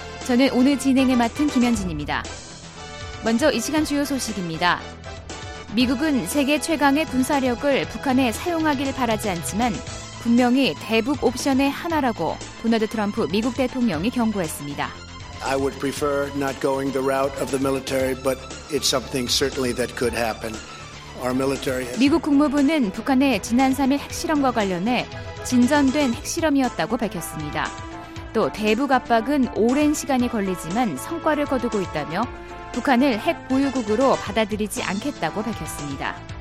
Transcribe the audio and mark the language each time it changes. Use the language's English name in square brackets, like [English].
[Korean] 저는 오늘 진행을 맡은 김현진입니다. 먼저 이 시간 주요 소식입니다. 미국은 세계 최강의 군사력을 북한에 사용하길 바라지 않지만 분명히 대북 옵션의 하나라고 도널드 트럼프 미국 대통령이 경고했습니다. [English] I would prefer not going the route of the military, but it's something certainly that could happen. Our military has... [Korean] 미국 국무부는 북한의 지난 3일 핵실험과 관련해 진전된 핵실험이었다고 밝혔습니다. 또 대북 압박은 오랜 시간이 걸리지만 성과를 거두고 있다며 북한을 핵 보유국으로 받아들이지 않겠다고 밝혔습니다.